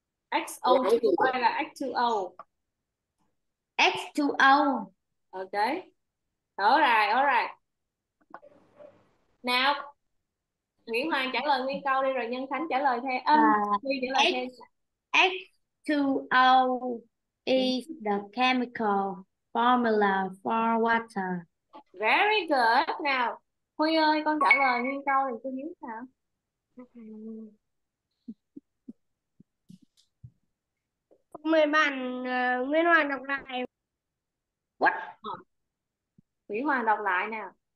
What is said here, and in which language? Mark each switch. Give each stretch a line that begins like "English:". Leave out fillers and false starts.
Vietnamese: XO2 hay là X2O. X2O.
English: Ok. Alright, alright.
Vietnamese: Nào, Nguyễn Hoàng trả lời nguyên câu đi rồi Nhân Khánh trả lời thêm. Huy trả lời thêm.
English: X2O is the chemical formula for water. Very good.
Vietnamese: Nào, Huy ơi, con trả lời nguyên câu thì cô hiểu sao? Mời bạn Nguyên Hoàng đọc lại.
English: What?
Vietnamese: Nguyễn Hoàng đọc lại nào.